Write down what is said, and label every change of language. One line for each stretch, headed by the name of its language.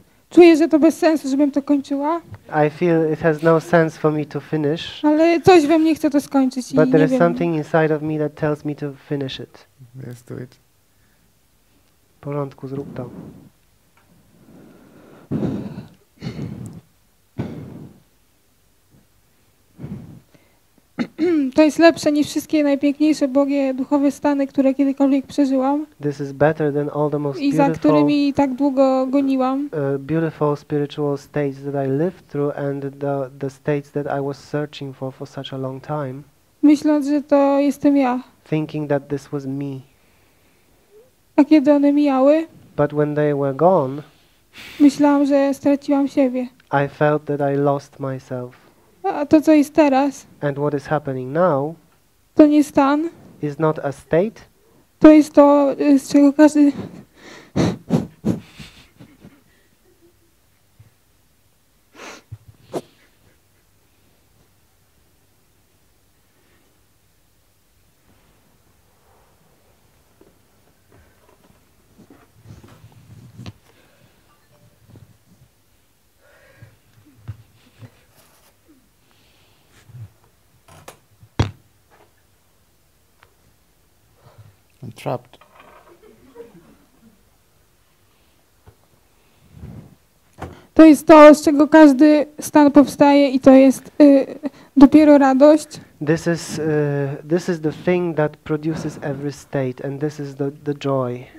Polish: Czuję, że to bez sensu, żebym to kończyła.
English: I feel it has no sense for me to finish.
Polish: Ale coś we mnie chce to skończyć.
English: But
Polish: i nie
English: there
Polish: wiem.
English: Is something inside of me that tells me to finish it. Let's do it.
Polish: W porządku, zrób to. To jest lepsze niż wszystkie najpiękniejsze błogie duchowe stany, które kiedykolwiek przeżyłam.
English: This is better than all the most beautiful.
Polish: I za którymi tak długo goniłam.
English: Beautiful spiritual states that I lived through and the states that I was searching for such a long time.
Polish: Myśląc, że to jestem ja.
English: Thinking that this was me.
Polish: A kiedy one mijały?
English: But when they were gone.
Polish: Myślałam, że straciłam siebie.
English: I felt that I lost myself.
Polish: A to co jest teraz?
English: And what is happening now?
Polish: To nie stan.
English: Is not a state.
Polish: To jest to, z czego każdy.
English: Trapped.
Polish: To jest to, z czego każdy stan powstaje i to jest dopiero radość.
English: This is the thing that produces every state and this is the joy.